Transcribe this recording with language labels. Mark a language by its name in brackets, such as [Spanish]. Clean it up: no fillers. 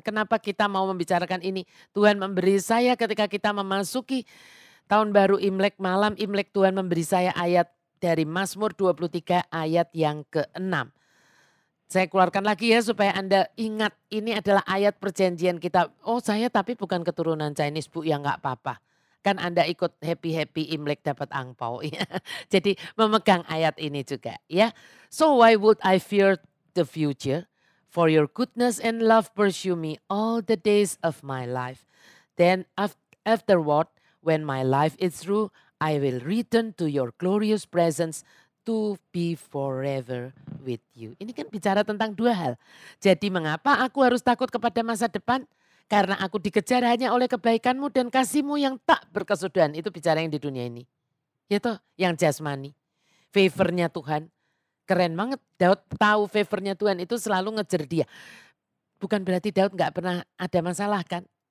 [Indonesian] Kenapa kita mau membicarakan ini? Tuhan memberi saya ketika kita memasuki tahun baru Imlek, malam Imlek Tuhan memberi saya ayat dari Mazmur 23 ayat yang ke-6. Saya keluarkan lagi ya supaya Anda ingat ini adalah ayat perjanjian kita. Oh saya tapi bukan keturunan Chinese Bu, ya enggak apa-apa. Kan Anda ikut happy-happy Imlek dapat angpau. Ya. Jadi memegang ayat ini juga ya. [English] So why would I fear the future? For your goodness and love pursue me all the days of my life. Then afterward when my life is through, I will return to your glorious presence to be forever with you. [Indonesian] Ini kan bicara tentang dua hal. Jadi mengapa aku harus takut kepada masa depan? Karena aku dikejar hanya oleh kebaikanmu dan kasihmu yang tak berkesudahan. Itu bicara yang di dunia ini. Yaitu yang jasmani. Favornya Tuhan. Keren banget. Daud tahu favornya Tuhan itu selalu ngejar dia. Bukan berarti Daud gak pernah ada masalah kan.